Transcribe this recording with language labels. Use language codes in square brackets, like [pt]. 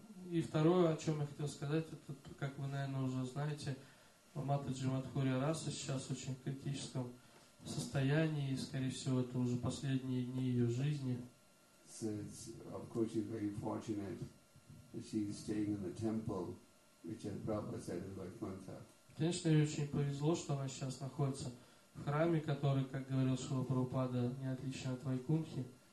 [ru] И второе, о чем я хотел сказать, это, как вы, наверное, уже знаете, Матаджи Мадхурья Раса сейчас очень в критическом состоянии, и, скорее всего, это уже последние дни ее жизни. [en] So it's, of course, she's very fortunate that she's staying in the temple, which as Prabhupada said is Vaikuntha. [ru] Конечно, ей очень повезло, что она сейчас находится в храме, который, как говорил Шрила Прабхупада, не отличен от Вайкунтхи.